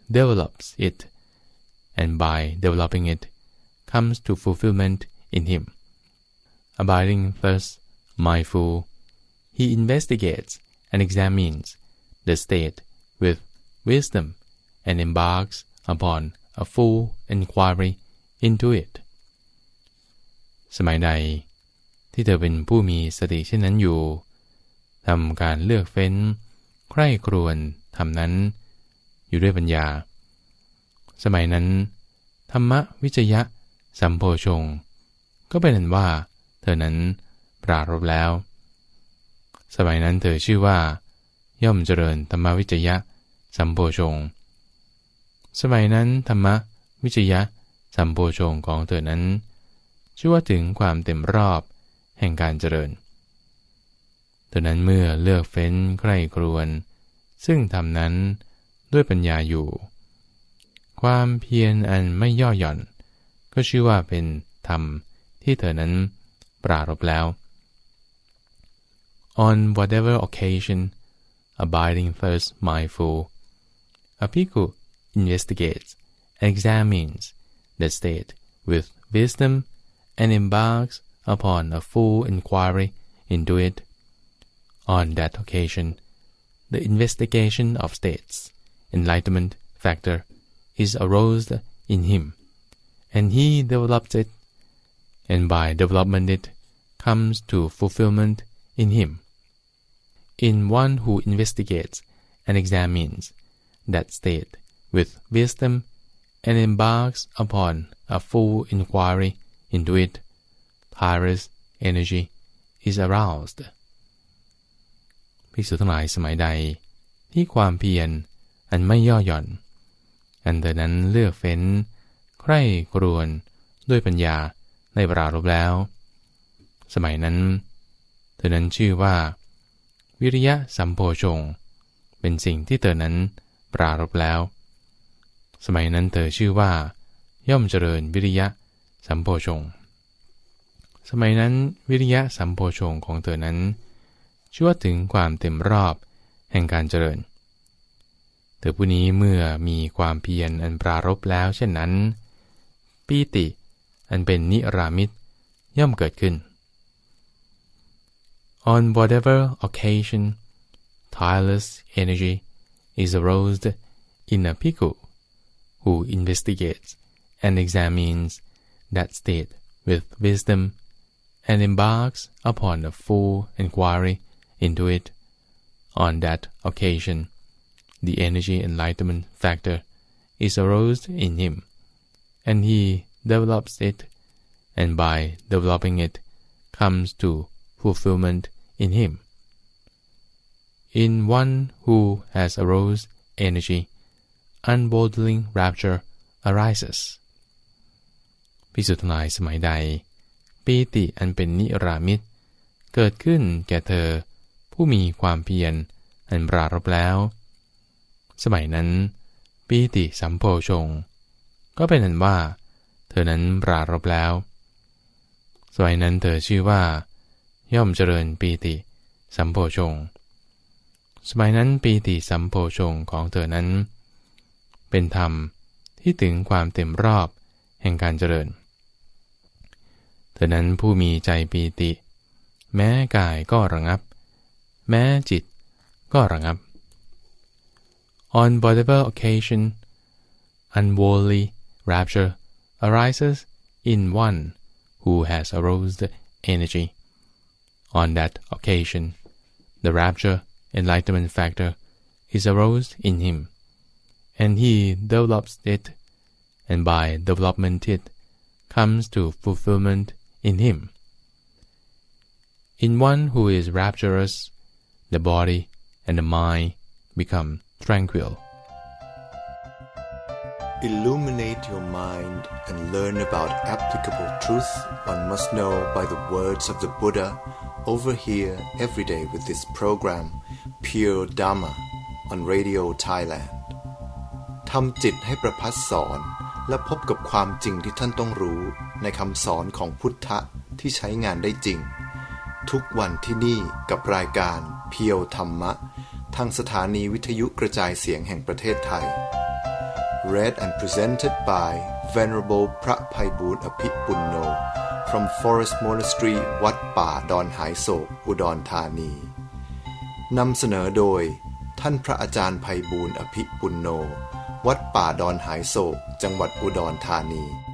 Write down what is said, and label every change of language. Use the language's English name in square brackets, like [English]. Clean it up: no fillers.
[English] develops it, and by developing it, comes to fulfillment in him. Abiding thus mindful, he investigates and examines the state with wisdom and embarks upon a full inquiry into it. [Thai] สมัยใดที่เธอเป็นผู้มีสติเช่นนั้นอยู่ทำการเลือกเฟ้นใคร่ครวญทำนั้นอยู่ด้วยปัญญาสมัยนั้นธรรมะวิจยะสัมโพชงก็เป็นอันว่าเธอนั้นปรารภแล้ว สมัยนั้นเธอชื่อว่าย่อมเจริญธรรมวิจยะสัมโพชงสมัยนั้นธรรมวิจยะสัมโพชงของเธอนั้นชื่อว่าถึงความเต็มรอบแห่งการเจริญ เธอนั้นเมื่อเลือกเฟ้นใคร่ครวญซึ่งทำนั้นด้วยปัญญาอยู่ความเพียรอันไม่ย่อหย่อนก็ชื่อว่าเป็นธรรมที่เธอนั้นปรารภแล้ว [English] On whatever occasion, abiding first mindful, a bhikkhu investigates and examines the state with wisdom and embarks upon a full inquiry into it. On that occasion, the investigation of states, enlightenment factor, is aroused in him, and he develops it, and by development it comes to fulfillment in him. In one who investigates and examines that state with wisdom and embarks upon a full inquiry into it, Tyrus energy is aroused. [Thai] ภิกษุทั้งหลายสมัยใดที่ความเพียรอันไม่ย่อหย่อนอันเดินนั้นเลือกเฟ้นใคร่ครวญด้วยปัญญาได้ปรารภแล้วสมัยนั้นเธอนั้นชื่อว่าวิริยะสัมโพชงเป็นสิ่งที่เธอนั้นปรารภแล้วสมัยนั้นเธอชื่อว่าย่อมเจริญวิริยะสัมโพชง สมัยนั้นวิริยะสัมโพชงของเธอนั้นชื่อว่าถึงความเต็มรอบแห่งการเจริญเธอผู้นี้เมื่อมีความเพียรอันปรารภแล้วเช่นนั้นปีติอันเป็นนิรามิตย่อมเกิดขึ้น [English] On whatever occasion, tireless energy is aroused in a bhikkhu who investigates and examines that state with wisdom and embarks upon a full inquiry into it. On that occasion, the energy enlightenment factor is aroused in him, and he develops it, and by developing it, comes to fulfillment in him. In one who has arose energy, unbodling rapture arises. [Thai] ภิกษุทั้งหลายสมัยใดปีติอันเป็นนิรามิตเกิดขึ้นแก่เธอผู้มีความเพียรอันปรารภแล้วสมัยนั้นปีติสัมโพชงก็เป็นอันว่าเธอนั้นปรารภแล้ว สมัยนั้นเธอชื่อว่าย่อมเจริญปีติสัมโพชงสมัยนั้นปีติสัมโพชงของเธอนั้นเป็นธรรมที่ถึงความเต็มรอบแห่งการเจริญเธอนั้นผู้มีใจปีติแม้กายก็ระงับแม้จิตก็ระงับ [English] On whatever occasion, unworldly rapture arises in one who has aroused energy. On that occasion, the rapture enlightenment factor is aroused in him, and he develops it, and by development it comes to fulfillment in him. In one who is rapturous, the body and the mind become tranquil. Illuminate your mind and learn about applicable truth one must know by the words of the Buddha. Over here every day with this program Pure Dharma on Radio Thailand [Thai] ทำจิตให้ประพัสสอนและพบกับความจริงที่ท่านต้องรู้ในคำสอนของพุทธะที่ใช้งานได้จริงทุกวันที่นี่กับรายการ Pure Dharma ทางสถานีวิทยุกระจายเสียงแห่งประเทศไทย [English] read and presented by Venerable Pra Paibhut Apipunno from Forest Monastery Wat Pa Don Hai Sok, Udon Thani. [Thai] นำเสนอโดยท่านพระอาจารย์ไพบูลย์อภิปุณโญวัดป่าดอนหายโศกจังหวัดอุดรธานี